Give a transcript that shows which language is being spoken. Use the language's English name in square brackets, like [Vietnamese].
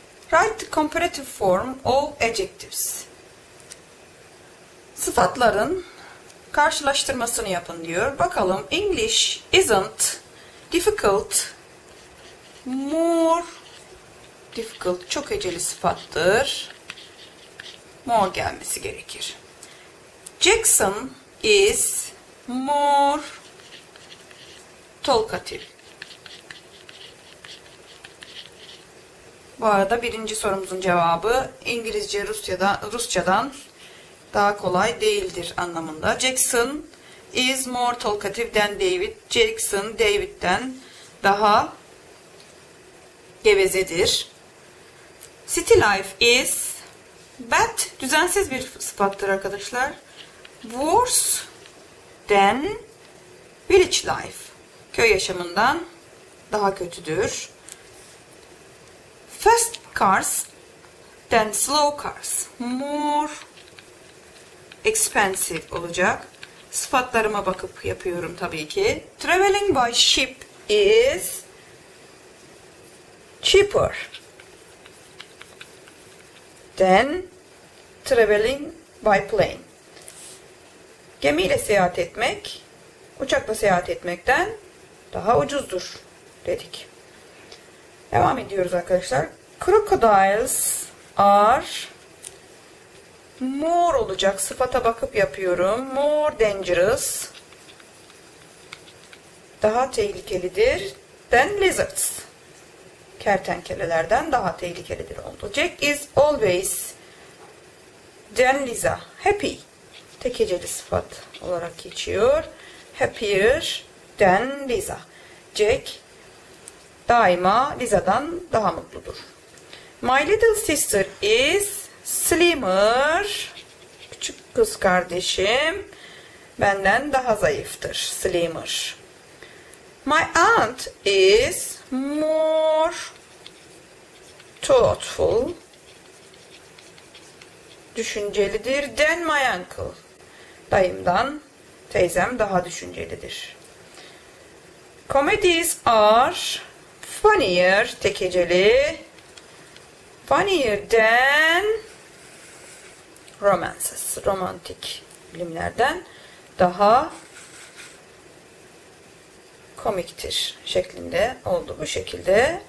[English] Write the comparative form of adjectives. [Turkish] Sıfatların karşılaştırmasını yapın diyor. Bakalım, [English] English isn't difficult, more difficult, [Turkish] çok eceli sıfattır. More gelmesi gerekir. [English] Jackson is more talkative. [Turkish] Bu arada birinci sorumuzun cevabı İngilizce Rusçadan daha kolay değildir anlamında. [English] Jackson is more talkative than David. [Turkish] Jackson David'den daha gevezedir. [English] City life is bad. [Turkish] Düzensiz bir sıfattır arkadaşlar. [English] Worse than village life. [Turkish] Köy yaşamından daha kötüdür. [English] Fast cars than slow cars. More expensive [Turkish] olacak. Sıfatlarıma bakıp yapıyorum tabii ki. [English] Traveling by ship is cheaper than traveling by plane. [Turkish] Gemiyle seyahat etmek, uçakla seyahat etmekten daha ucuzdur dedik. Devam ediyoruz arkadaşlar. [English] Crocodiles are more [Turkish] olacak. Sıfata bakıp yapıyorum. [English] More dangerous. [Turkish] Daha tehlikelidir [English] than lizards. [Turkish] Kertenkelelerden daha tehlikelidir oldu. [English] Jack is always than Lisa. Happy. [Turkish] Tek eceli sıfat olarak geçiyor. [English] Happier than Lisa. [Turkish] Jack daima Lisa'dan daha mutludur. [English] My little sister is slimmer. [Turkish] Küçük kız kardeşim benden daha zayıftır. [English] Slimmer. My aunt is more thoughtful. [Turkish] Düşüncelidir [English] than my uncle. [Turkish] Dayımdan teyzem daha düşüncelidir. [English] Comedies are funnier, [Turkish] tekeceli. [English] Funnier than Romances, [Turkish] romantik filmlerden daha komiktir şeklinde oldu bu şekilde.